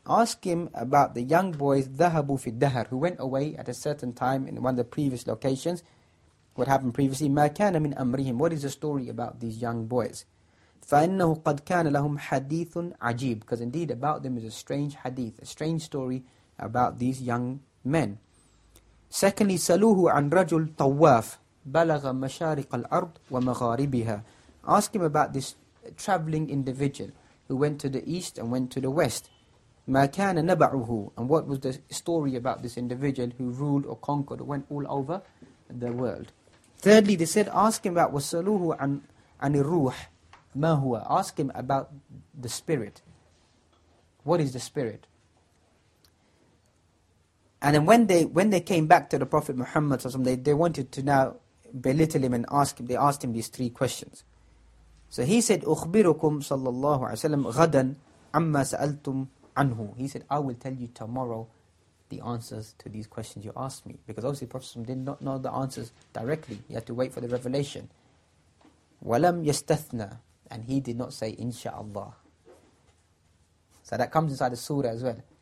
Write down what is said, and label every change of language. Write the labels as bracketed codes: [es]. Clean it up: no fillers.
[en] Ask him about the young boys, [ar] ذَهَبُوا فِي الدَّهَرِ, [en] who went away at a certain time in one of the previous locations. What happened previously? [ar] مَا كَانَ مِنْ أَمْرِهِمْ. [en] What is the story about these young boys? [ar] فَإِنَّهُ قَدْ كَانَ لَهُمْ حَدِيثٌ عَجِيبٌ. [en] Because indeed about them is a strange hadith, a strange story about these young men. [ar] Secondly, سَلُوهُ عَنْ رَجُلْ طَوَّافٌ بَلَغَ مَشَارِقَ الْأَرْضِ وَمَغَارِبِهَا. [en] Ask him about this traveling individual who went to the east and went to the west. [ar] مَا كَانَ نَبَعُهُ. [en] And what was the story about this individual who ruled or conquered or went all over the world? Thirdly, they said, ask him about [ar] وَسَلُوهُ عَنْ الْرُوحِ. مَا هُوَ. [en] Ask him about the spirit. What is the spirit? And then when they came back to the Prophet Muhammad, they wanted to now belittle him and ask him. They asked him these three questions. So he said, [ar] أُخْبِرُكُمْ صَلَّى اللَّهُ عَلَيْهِ وَسَلَّمْ غَدًا عَمَّا سَأَلْتُمْ عَنْهُ. [en] He said, I will tell you tomorrow the answers to these questions you asked me. Because obviously Prophet did not know the answers directly. He had to wait for the revelation. [ar] وَلَمْ يَسْتَثْنَى. [en] And he did not say, Insha'Allah. So that comes inside the surah as well.